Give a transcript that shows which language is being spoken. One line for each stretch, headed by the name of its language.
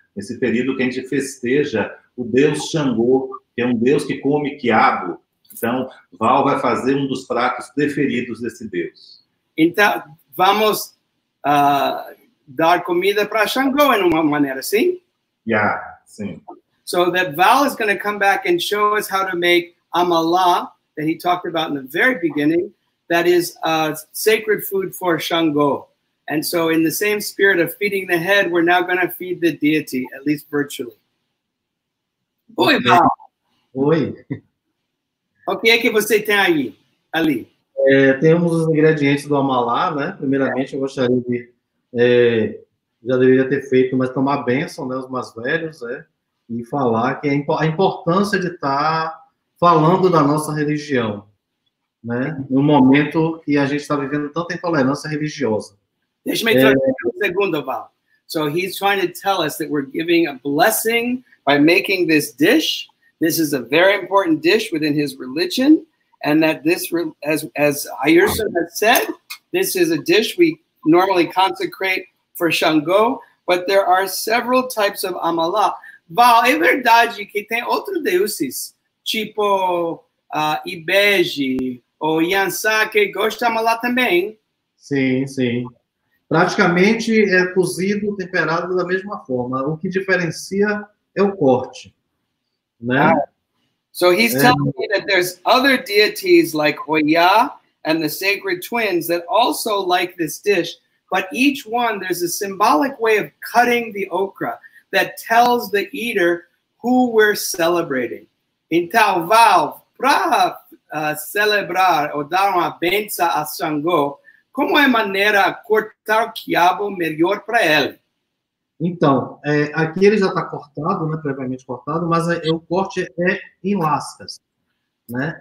Portuguese: Nesse período que a gente festeja o Deus Xangô, que é um Deus que come quiabo. Então, Val vai fazer um dos pratos preferidos desse Deus. Então, vamos dar comida para Xangô, de uma maneira, sim? Yeah, sim.
English: So that Val is going to come back and show us how to make amalá, that he talked about in the very beginning, that is a sacred food for Xangô. And so in the same spirit of feeding the head, we're now going to feed the deity, at least virtually.
Portuguese: Oi, Val. Oi. O que é que você tem aí, ali? Temos os ingredientes do amalá, né? Primeiramente, eu gostaria de... já deveria ter feito, mas tomar bênção, né? Os mais velhos, né? E falar que é a importância de estar falando da nossa religião, né, no momento que a gente está vivendo tanta intolerância religiosa. Deixa-me traduzir um segundo, Val.
English: So he's trying to tell us that we're giving a blessing by making this dish. This is a very important dish within his religion, and that this, as Ayerson has said, this is a dish we normally consecrate for Xangô, but there are several types of amalá.
Portuguese: Val, é verdade que tem outros deuses, tipo Ibeji, o Yansá, que gosta de amalá também. Sim, sim. Praticamente é cozido, temperado da mesma forma. O que diferencia é o corte. né?
English: So he's telling me that there's other deities like Oya and the sacred twins that also like this dish, but each one, there's a symbolic way of cutting the okra that tells the eater who we're celebrating.
Portuguese: Então, Val, para celebrar ou dar uma benção a Xangô, como é a maneira de cortar o quiabo melhor para ele? Então, aqui ele já está cortado, né, previamente cortado, mas o corte é em lascas, né?